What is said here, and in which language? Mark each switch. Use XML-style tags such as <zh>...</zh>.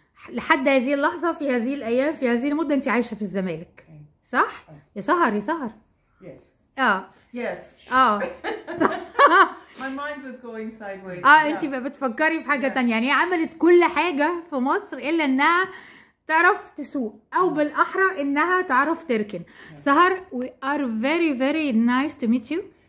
<ar>لحد هذه اللحظة في هذه الأيام في هذه المدة أنت عايشة في الزمالك. صح يا سهر يا سهر</ar> <en>yes my mind was going sideways</en> <ar>انتي بتفكري في حاجه ثانيه يعني عملت كل حاجه في مصر الا انها تعرف تسوق او بالاحرى انها تعرف تركن سهر</ar> <en>we are very very nice to meet you</en>